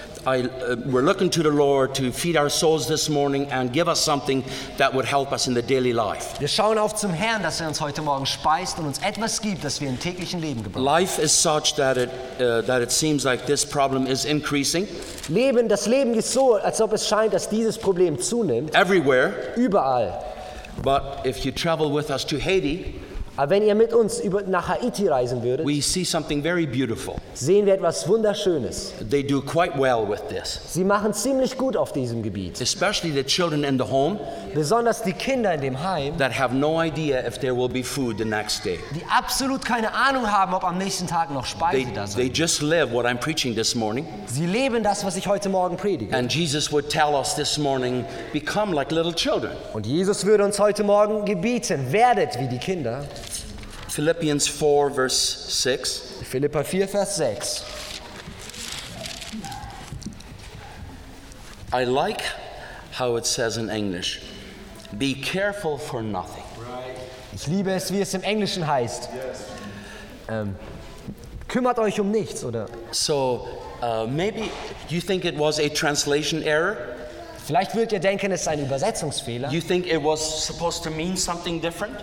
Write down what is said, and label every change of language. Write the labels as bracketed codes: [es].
[en] We're looking to the Lord to feed our souls this morning and give us something that would help us in the daily life. [de] Wir schauen auf zum Herrn, dass er uns heute Morgen speist und uns etwas gibt, das wir im täglichen Leben gebrauchen. [en] Life is such that it seems like this problem is increasing. [de] Leben, das Leben ist so, als ob es scheint, dass dieses Problem zunimmt. [en] Everywhere. [de] Überall. [en] But if you travel with us to Haiti. [de] Aber wenn ihr mit uns nach Haiti reisen würdet, [en] we see something very beautiful. [de] Sehen wir etwas Wunderschönes. [en] They do quite well with this. [de] Sie machen ziemlich gut auf diesem Gebiet. [en] Especially the children in the home, [de] besonders die Kinder in dem Heim, [en] that have no idea if there will be food the next day. [de] Die absolut keine Ahnung haben, ob am nächsten Tag noch Speise da sein. [en] They just live what I'm preaching this morning. [de] Sie leben das, was ich heute Morgen predige. [en] And Jesus would tell us this morning, become like little children. [de] Und Jesus würde uns heute Morgen gebieten, werdet wie die Kinder. [en] Philippians 4, verse 6. [de] Philipper 4, Vers 6. [en] I like how it says in English, be careful for nothing. Right. [de] Ich liebe es, wie es im Englischen heißt. [en] Yes. [de] Kümmert euch um nichts, oder? [en] So, maybe you think it was a translation error? [de] Vielleicht würdet ihr denken, es ist ein Übersetzungsfehler. [en] You think it was supposed to mean something different?